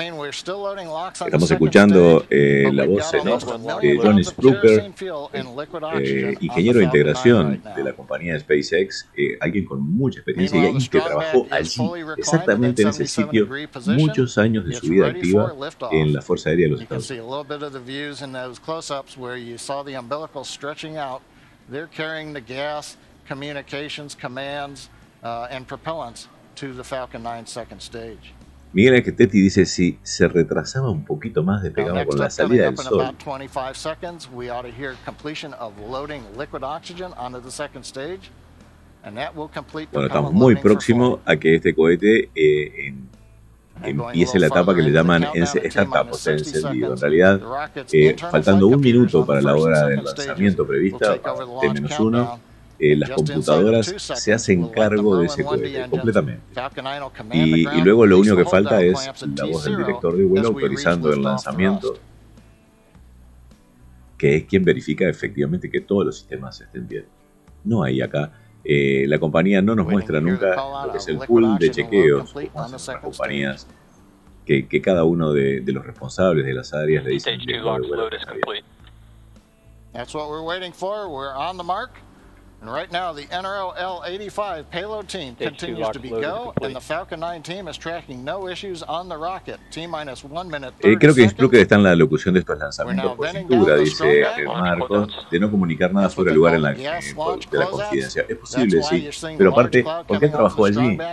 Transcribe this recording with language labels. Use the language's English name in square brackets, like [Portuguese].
[Spanish] Estamos escuchando la voz en off de John Spruker, ingeniero de integración de la compañía SpaceX, alguien con mucha experiencia y que trabajó allí, exactamente en ese sitio, muchos años de su vida activa en la Fuerza Aérea de los Estados Unidos. [English] They're carrying the gas, communications, commands, and propellants to the Falcon 9 second stage. [Spanish] Miguel Aquetetti dice, si se retrasaba un poquito más despegaba con la salida del sol. [English] About 25 seconds, we ought to hear completion of loading liquid oxygen onto the second stage, and that will complete. [Spanish] Bueno, estamos muy próximo a que este cohete empiece la etapa que le llaman startup, o sea, encendido. En realidad, faltando un minuto para la hora del lanzamiento prevista, T-1, las computadoras se hacen cargo de ese cohete completamente. Y luego lo único que falta es la voz del director de vuelo autorizando el lanzamiento, que es quien verifica efectivamente que todos los sistemas estén bien. No hay acá. La compañía no nos muestra nunca lo que es el pool de chequeos, como hacen las compañías, que cada uno de los responsables de las áreas le dicen que el vuelo está bien. [English] That's what we're waiting for. We're on the mark. And right now the NROL-85 payload team continues to be go and the Falcon 9 team is tracking no issues on the rocket. T-minus 1 minute 30 seconds. [Spanish] Creo que Spruker está en la locución de estos lanzamientos por cintura, dice Marcos, de no comunicar nada sobre el lugar en la de la confidencia. Es posible, sí, pero aparte, ¿por qué trabajó allí?